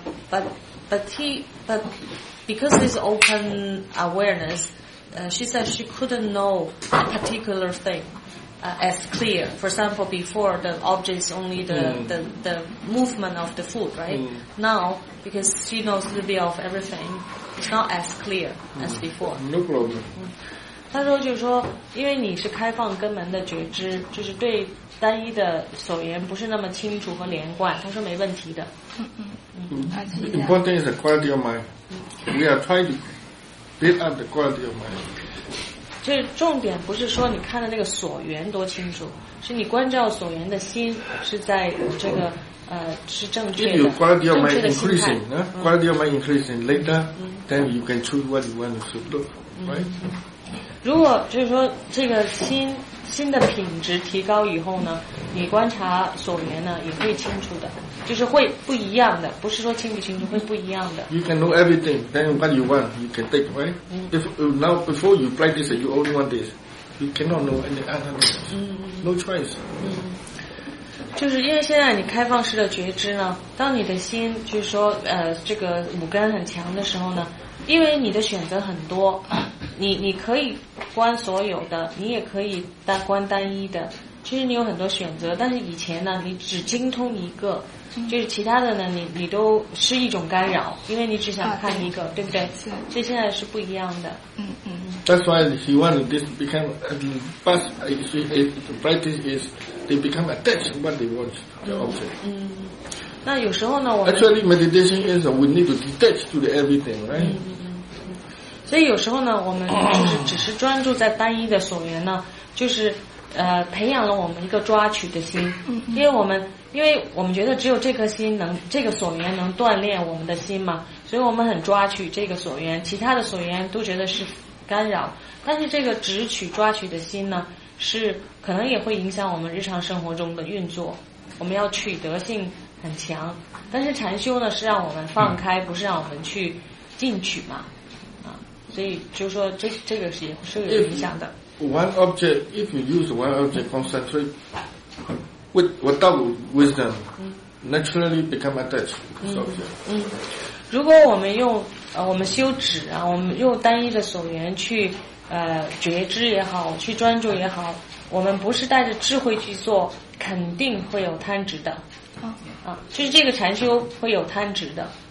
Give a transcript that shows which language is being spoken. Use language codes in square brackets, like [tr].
[en] But because it's open awareness, she said she couldn't know a particular thing. as clear. For example, before the object is only the movement of the food, right? Mm. Now, because she knows the bit of everything, it's not as clear as before. No problem. [zh] 他说就是说，因为你是开放根门的觉知，就是对单一的所缘不是那么清楚和连贯。他说没问题的。 [en] Mm-hmm. Important is the quality of mind. We are trying to build up the quality of mind. [zh] 就是重点不是说你看的那个所缘多清楚，是你关照所缘的心是在这个是正确的。 [en] If your quality of mind increasing, quality of mind increasing later,、 [zh] 嗯、 [en] then you can choose what you want to look, right?、 [zh] 嗯、如果就是说这个心的品质提高以后呢，你观察所缘呢也会清楚的，就是会不一样的，不是说清不清楚，会不一样的。 [en] You can know everything, then what you want, you can take, right?、 [zh] 嗯、 [en] If now before you practice, you only want this, you cannot know any other things. No choice.、 [zh] 嗯、就是因为现在你开放式的觉知呢，当你的心就是说这个五根很强的时候呢，因为你的选择很多。你可以观所有的，你也可以观单一的，其实你有很多选择，但是以前呢你只精通一个，就是其他的呢你都是一种干扰，因为你只想看一个、啊、对不对？这现在是不一样的。嗯嗯。 [en] That's why he wanted this to become but if the practice is they become attached to what they want the object. [zh] 嗯。那有时候呢我 [en] Actually meditation is we need to detach to the everything, right?、 [zh] 嗯所以有时候呢我们就是只是专注在单一的所缘呢就是培养了我们一个抓取的心因为我们觉得只有这颗心能这个所缘能锻炼我们的心嘛所以我们很抓取这个所缘其他的所缘都觉得是干扰但是这个只取抓取的心呢是可能也会影响我们日常生活中的运作我们要取得性很强但是禅修呢是让我们放开不是让我们去进取嘛所以就说这个是也是有影响的。 [en] One object, if you use one object concentrate without wisdom, naturally become attached to this object. [zh] 嗯，如果我们用我们修止啊，我们用单一的所缘去觉知也好，去专注也好，我们不是带着智慧去做，肯定会有贪执的。啊，就是这个禅修会有贪执的。